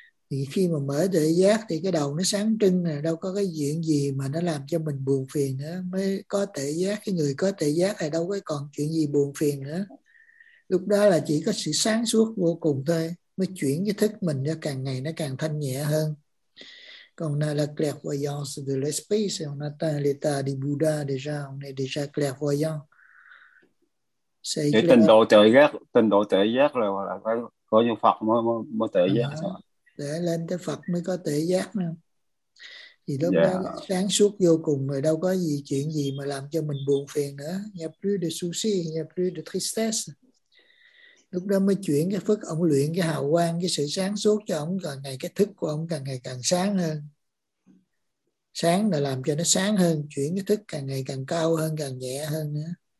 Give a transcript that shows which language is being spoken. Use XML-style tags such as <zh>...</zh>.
<vi>Thì khi mà mở tuệ giác thì cái đầu nó sáng trưng, là đâu có cái chuyện gì mà nó làm cho mình buồn phiền nữa, mới có tuệ giác. Cái người có tuệ giác thì đâu có còn chuyện gì buồn phiền nữa. Lúc đó là chỉ có sự sáng suốt vô cùng thôi, mới chuyển cái thức mình ra càng ngày nó càng thanh nhẹ hơn.</vi> <fr>Quand on a la clairvoyance de l'esprit, si on atteint l'état du Bouddha déjà, on est déjà clairvoyant. C'est clair.</fr> <vi>Tình độ tuệ giác là có như Phật mới tuệ giác. Để lên tới Phật mới có tuệ giác. Thì lúc đó sáng suốt vô cùng rồi, đâu có gì chuyện gì mà làm cho mình buồn phiền nữa.</vi> <fr>Il n'y a plus de souci, il n'y a plus de tristesse.</fr> <vi>Lúc đó mới chuyển cái phước, ông luyện cái hào quang, cái sự sáng suốt cho ông, càng ngày cái thức của ông càng ngày càng sáng hơn. Sáng là làm cho nó sáng hơn, chuyển cái thức càng ngày càng cao hơn, càng nhẹ hơn nữa.</vi>